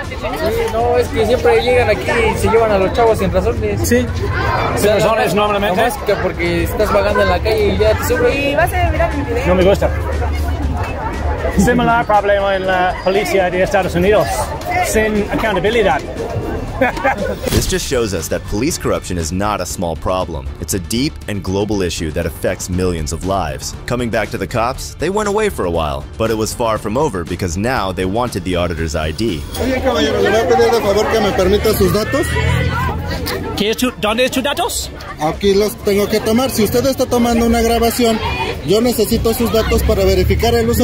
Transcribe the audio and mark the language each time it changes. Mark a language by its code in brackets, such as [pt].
[es] Sí, no, es que siempre llegan aquí y se llevan a los chavos sin razones. Sí. ¿Sin razones normalmente? No, es que porque estás vagando en la calle y ya te sube. Y vas a mirar mi video. No me gusta. Similar problema en la policía de Estados Unidos. Sin accountability. [en] This just shows us that police corruption is not a small problem. It's a deep and global issue that affects millions of lives. Coming back to the cops, they went away for a while, but it was far from over because now they wanted the auditor's ID. [es] Oye, caballero, le voy a pedir de favor que me permita sus datos. ¿Qué es tu, dónde es tu datos? Aquí los tengo que tomar. Si usted está tomando una grabación, yo necesito sus datos para verificar el uso